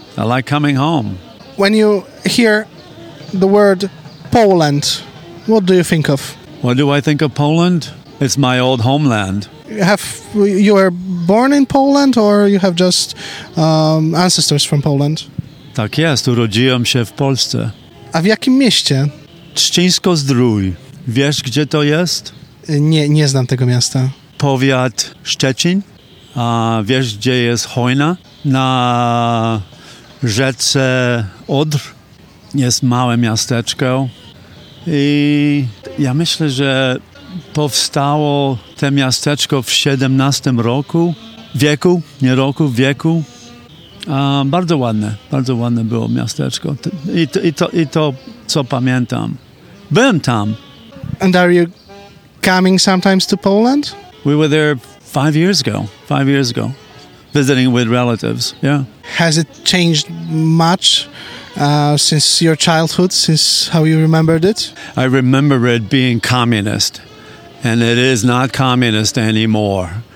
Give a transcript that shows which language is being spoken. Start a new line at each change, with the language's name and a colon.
English: I like coming home. When you hear the word Poland, what do you think of? What do I think of Poland? It's my old homeland. You were born in Poland, or you have just ancestors from Poland?
Polish: Tak jest, urodziłem się w Polsce. A w jakim mieście? Szczecin-Zdrój. Wiesz, gdzie to jest? Nie znam tego miasta. Powiat Szczecin. Wiesz, gdzie jest Hojna? Na rzece Odr. Jest małe miasteczko i ja myślę, że powstało to miasteczko w 17 roku, wieku, nie roku, wieku. Bardzo ładne było miasteczko i to, co pamiętam. Byłem tam.
English: And are you coming sometimes to Poland? We were there 5 years ago, visiting with relatives, yeah. Has it changed much? Since your childhood, since how you remembered it? I remember it being communist, and it is not communist anymore.